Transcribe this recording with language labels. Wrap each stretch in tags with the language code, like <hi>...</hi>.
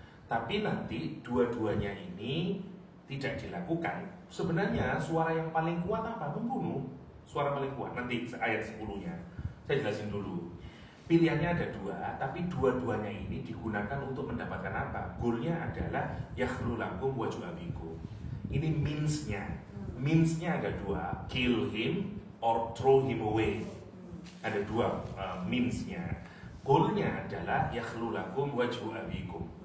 <id>Tapi nanti dua-duanya ini tidak dilakukan. Sebenarnya suara yang paling kuat apa? Membunuh. Suara paling kuat, nanti ayat 10-nya. Saya jelasin dulu. Pilihannya ada dua, tapi dua-duanya ini digunakan untuk mendapatkan apa? Goalnya adalah</id> <ar>yakhlu lakum wa ju'abiku.</ar> <id>Ini means-nya. Means-nya ada dua,</id> <en>kill him or throw him away.</en> <id>Ada dua means-nya. Goalnya adalah</id> <ar>yakhlu lakum wa ju'abiku.</ar>